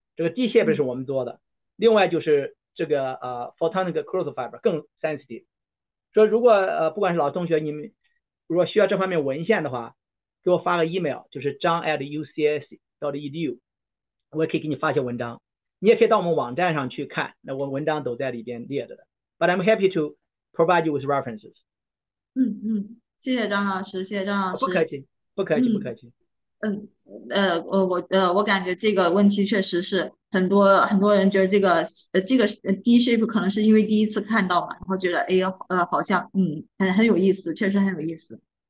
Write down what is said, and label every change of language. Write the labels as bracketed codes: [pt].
[zh] 这个 D shaped 是我们做的。另外就是这个photonic crystal fiber 更 sensitive。所以如果不管是老同学，你们如果需要这方面文献的话，给我发个 email， 就是 john@ucs.edu。我可以给你发些文章，你也可以到我们网站上去看，那我文章都在里边列着的。 [en] But I'm happy to provide you with references。 [zh] 嗯嗯，谢谢张老师，谢谢张老师。不客气，不客气，不客气。嗯，我感觉这个问题确实是很多人觉得这个 D shape 可能是因为第一次看到嘛，然后觉得哎好像很有意思，确实很有意思。